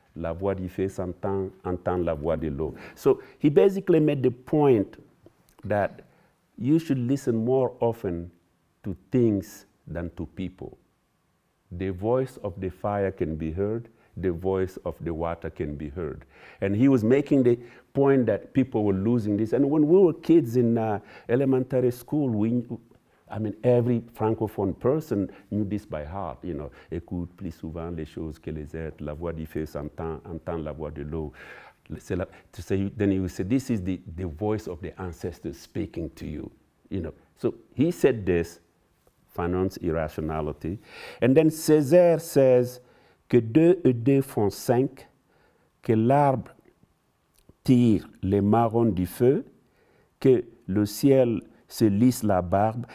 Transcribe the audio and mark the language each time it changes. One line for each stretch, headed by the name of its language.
French: La voix du feu s'entend, entend la voix de l'eau.
English: So he basically made the point that you should listen more often to things than to people. The voice of the fire can be heard, the voice of the water can be heard. And he was making the point that people were losing this. And when we were kids in elementary school, every Francophone person knew this by heart, you know.
French: Écoute plus souvent les choses que les êtres, la voix du feu s'entend, entend la voix de l'eau.
English: Then he would say, this is the voice of the ancestors speaking to you, you know. So he said this, Fanon's irrationality. And then Césaire says,
French: que deux et deux font cinq, que l'arbre tire les marrons du feu, que le ciel se lisse la barbe.